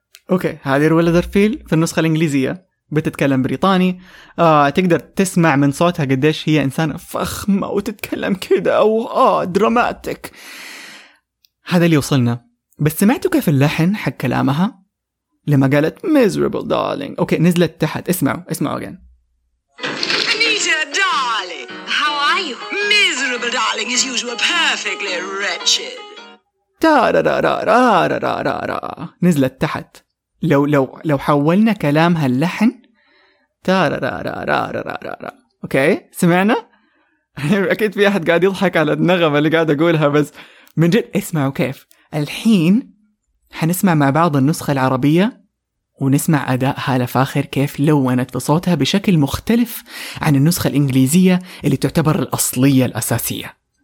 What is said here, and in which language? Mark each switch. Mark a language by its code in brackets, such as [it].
[ar] اوكي، هذه رويلا درفيل في النسخة الإنجليزية بتتكلم بريطاني، تقدر تسمع من صوتها قديش هي إنسانة فخمة وتتكلم كده أو دراماتيك، هذا اللي وصلنا. بس سمعتوا كيف اللحن حق كلامها لما قالت [en] miserable darling؟ [ar] أوكي نزلت تحت، اسمعوا اسمعوا [en] again. Anita darling, how are you? Miserable darling is usual, perfectly wretched. [ar] تارارارارارارارارا نزلت تحت. لو حولنا كلامها اللحن تارارارارارارارا. أوكي سمعنا؟ أكيد في أحد قاعد يضحك على النغمة اللي قاعد أقولها، بس من جد اسمعوا كيف. الحين حنسمع مع بعض النسخة العربية ونسمع أداء هالة فاخر كيف لونت في صوتها بشكل مختلف عن النسخة الإنجليزية اللي تعتبر الأصلية الأساسية.